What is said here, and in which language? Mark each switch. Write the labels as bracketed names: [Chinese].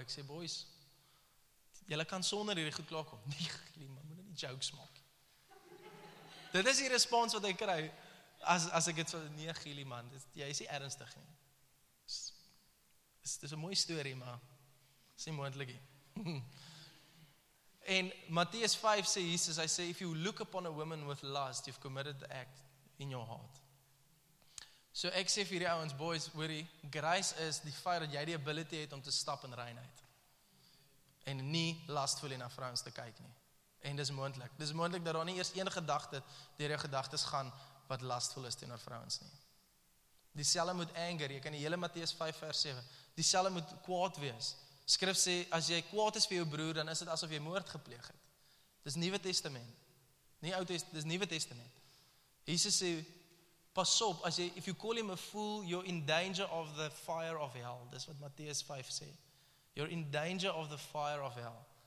[Afrikaans] Ek sê, boys, julle kan sonder hierdie goed klaarkom. Nee, Glen, man, moet nie jokes maak. Dit is die respons wat ek kry, as ek het so, nee, Glen, man, jy is nie ernstig nie. Dit is 'n mooi story, maar is nie moontlik nie. En Matteus 5 sê Jesus, hy sê, [English] if you look upon a woman with lust, you've committed the act in your heart. [Afrikaans] So ek sê vir hierdie ouens, boys, hoorie, grace is die feit dat jy die ability het om te stap in reinheid. En nie lustvol na vrouens te kyk nie. En dis moontlik. Dis moontlik dat daar nie eers een gedagte deur jou gedagtes gaan wat lustvol is teenoor vrouens nie. Dieselfde met anger, jy kan die hele Matteus 5 vers 7, dieselfde met kwaad wees. Skrif sê, as jy kwaad is vir jou broer, dan is dit asof jy moord gepleeg het. Dis Nuwe Testament. Nie Ou Testament, dis Nuwe Testament. Jesus sê, pas op, as jy, [English] if you call him a fool, you're in danger of the fire of hell. [Afrikaans] Dis wat Matteus 5 sê. [English] You're in danger of the fire of hell.